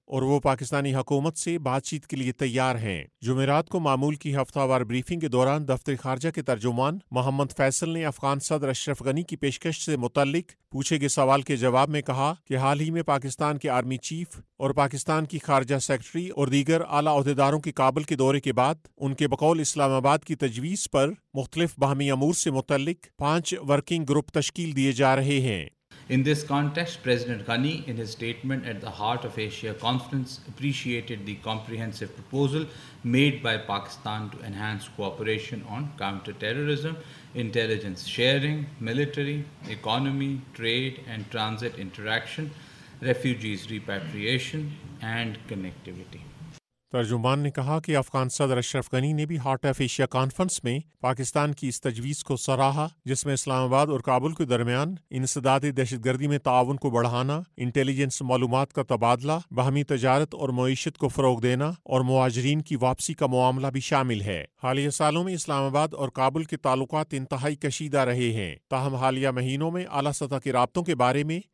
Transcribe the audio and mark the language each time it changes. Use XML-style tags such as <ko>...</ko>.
<ur>اور وہ پاکستانی حکومت سے بات چیت کے لیے تیار ہیں۔ جمعرات کو معمول کی ہفتہ وار بریفنگ کے دوران دفتر خارجہ کے ترجمان محمد فیصل نے افغان صدر اشرف غنی کی پیشکش سے متعلق پوچھے گئے سوال کے جواب میں کہا کہ حال ہی میں پاکستان کے آرمی چیف اور پاکستان کی خارجہ سیکرٹری اور دیگر اعلی عہدیداروں کے کابل کے دورے کے بعد ان کے بقول اسلام آباد کی تجویز پر مختلف باہمی امور سے متعلق 5 ورکنگ گروپ تشکیل دیے جا رہے ہیں۔</ur> <en>In this context, President Ghani, in his statement at the Heart of Asia Conference, appreciated the comprehensive proposal made by Pakistan to enhance cooperation on counter-terrorism, intelligence sharing, military, economy, trade and transit interaction, refugees repatriation and connectivity.</en> <ur>ترجمان نے کہا کہ افغان صدر اشرف غنی نے بھی heart of Asia conference میں پاکستان کی اس تجویز کو سراہا جس میں اسلام آباد اور کابل کے درمیان انسداد دہشت گردی میں تعاون کو بڑھانا، انٹیلیجنس معلومات کا تبادلہ، باہمی تجارت اور معیشت کو فروغ دینا اور مہاجرین کی واپسی کا معاملہ بھی شامل ہے۔ حالیہ سالوں میں اسلام آباد اور کابل کے تعلقات انتہائی کشیدہ رہے ہیں، تاہم حالیہ مہینوں میں اعلی سطح کے رابطوں کے بارے میں</ur>